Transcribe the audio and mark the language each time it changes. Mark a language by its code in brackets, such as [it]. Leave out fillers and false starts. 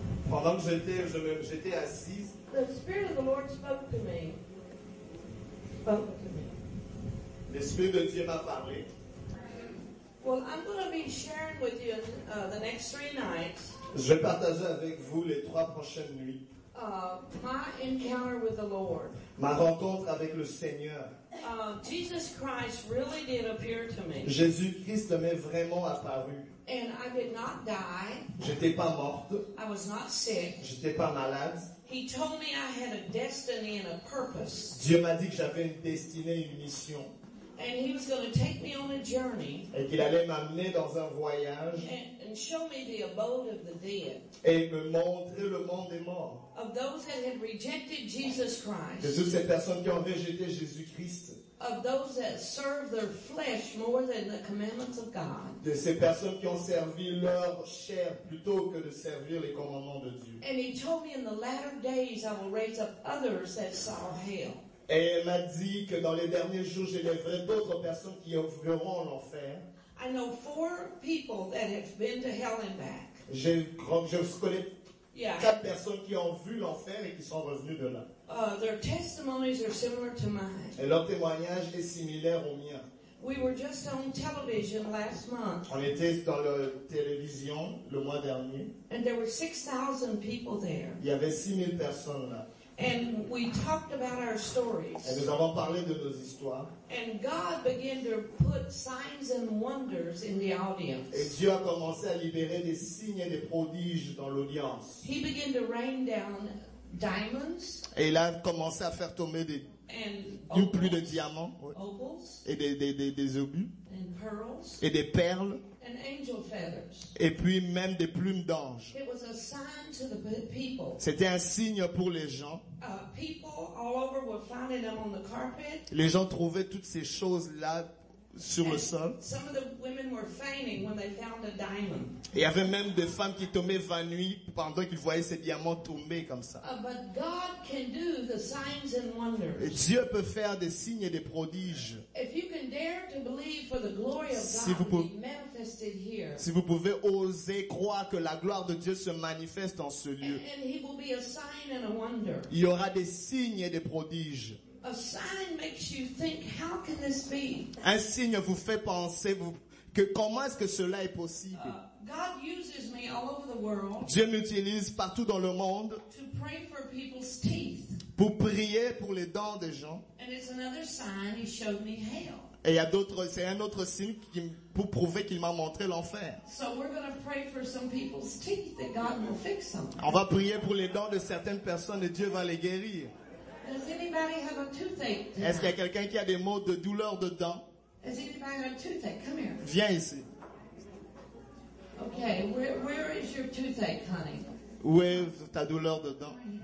[fr] Pendant que j'étais assise, [en] the Spirit of the Lord spoke to me. [fr] L'Esprit de Dieu m'a parlé. [en] Well, I'm going to be sharing with you the next three nights. [fr] Je vais partager avec vous les trois prochaines nuits. [en] My encounter with the Lord. [fr] Ma rencontre avec le Seigneur. [en] Jesus Christ really did appear to me. [fr] Jésus-Christ m'est vraiment apparu. [en] And I did not die. [fr] J'étais pas morte. [en] I was not sick. [fr] J'étais pas malade. [en] He told me I had a destiny and a purpose. [fr] Dieu m'a dit que j'avais une destinée et une mission. [en] And he was going to take me on a journey. [fr] Et qu'il allait m'amener dans un voyage. [en] And show me the abode of the dead. [fr] Et me montrer le monde des morts. [en] Of those that had rejected Jesus Christ. [fr] De toutes ces personnes qui ont rejeté Jésus-Christ. [en] Of those that serve their flesh more than the commandments of God. [fr] De ces personnes qui ont servi leur chair plutôt que de servir les commandements de Dieu. [en] And he told me in the latter days I will raise up others that saw hell. [fr] Et elle m'a dit que dans les derniers jours, j'élèverai d'autres personnes qui ouvriront l'enfer. [en] I know four people that have been to hell and back. [fr] Je connais quatre personnes qui ont vu l'enfer et qui sont revenues de là. [en] Their testimonies are similar to mine. [fr] Et leur témoignage est similaire au mien. [en] We were just on television last month. [fr] On était dans la télévision le mois dernier. [en] And there were 6,000 people there. [fr] Il y avait 6,000 personnes là. [en] And we talked about our stories. [fr] Et nous avons parlé de nos histoires. [en] And God began to put signs and wonders in the audience. [fr] Et Dieu a commencé à libérer des signes et des prodiges dans l'audience. [en] He began to rain down diamonds. [fr] Et il a commencé à faire tomber des pluies de diamants. [en] Opals. [fr] Et des obus. [en] And pearls. [fr] Et des perles. [en] And angel feathers. [fr] Et puis même des plumes d'anges. [en] It was a sign to the people. [fr] C'était un signe pour les gens. [en] People all over were finding them on the carpet. [fr] Les gens trouvaient toutes ces choses-là sur le sol. [en] Some of the women were fainting when they found a diamond. [fr] Il y avait même des femmes qui tombaient évanouies pendant qu'ils voyaient ces diamants tomber comme ça. [en] But God can do the signs and wonders. [fr] Et Dieu peut faire des signes et des prodiges. [en] If you can dare to believe for the glory of God to be manifested here. [fr] Si vous pouvez oser croire que la gloire de Dieu se manifeste en ce lieu. [en] And he will be a sign and a wonder. [fr] Il y aura des signes et des prodiges. [en] A sign makes you think, how can this be? [fr] Un signe vous fait penser que comment est-ce que cela est possible? [en] God uses me all over the world. [fr] Dieu m'utilise partout dans le monde. [en] To pray for people's teeth. [fr] Pour prier pour les dents des gens. [en] And it's another sign he showed me hell. [fr] Et il y a d'autres, c'est un autre signe qui, pour prouver qu'il m'a montré l'enfer. [en] So we're gonna pray for some people's teeth that God will fix them. [fr] On va prier pour les dents de certaines personnes et Dieu va les guérir. [en] Does anybody have a toothache tonight? [fr] Est-ce qu'il y a quelqu'un qui a des maux de douleur de dents? [en] Has anybody got a toothache? Come here. [fr] Viens ici. [en] Okay, where is your toothache, honey? [fr] Où est ta douleur de dents?